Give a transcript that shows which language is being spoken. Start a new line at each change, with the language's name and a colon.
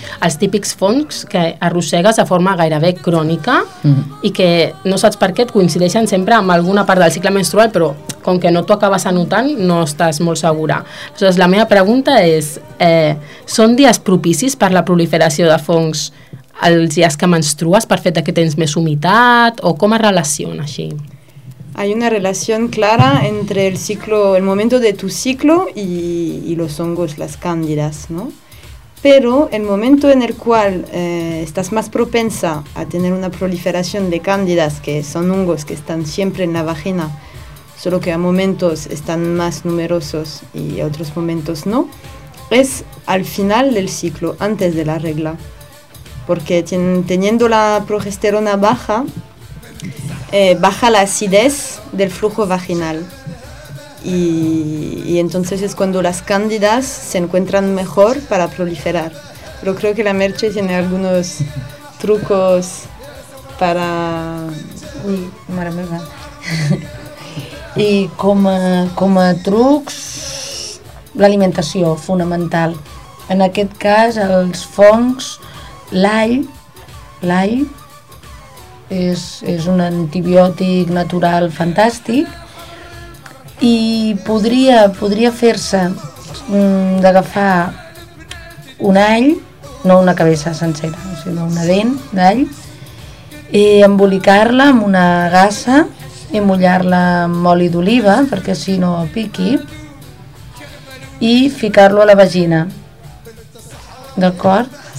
Catalan: Els típics fongs que arrossegues de forma gairebé crònica, i que no saps per què et coincideixen sempre amb alguna part del cicle menstrual, però com que no t'ho acabes anotant, no estàs molt segura. Aleshores, la meva pregunta és, són dies propicis per la proliferació de fongs els dies que menstrues per fet que tens més humitat, o com es relaciona així?
Spanish: Hay una relación clara entre el ciclo, el momento de tu ciclo y los hongos, las cándidas, ¿no? Pero el momento en el cual estás más propensa a tener una proliferación de cándidas, que son hongos que están siempre en la vagina, solo que a momentos están más numerosos y a otros momentos no, es al final del ciclo, antes de la regla. Porque teniendo la progesterona baja, baja la acidez del flujo vaginal. Y entonces es cuando las cándidas se encuentran mejor para proliferar. Pero creo que la Merche tiene algunos trucos para... Uy, maravilla. Y como trucos, la alimentación fundamental.
Catalan: En aquest cas, els fongs... L'all és un antibiòtic natural fantàstic i podria fer-se d'agafar un all, no una cabeça sencera, sinó una dent d'all, i embolicar-la amb una gasa i mullar-la amb oli d'oliva, perquè si no piqui, i ficar-lo a la vagina, d'acord?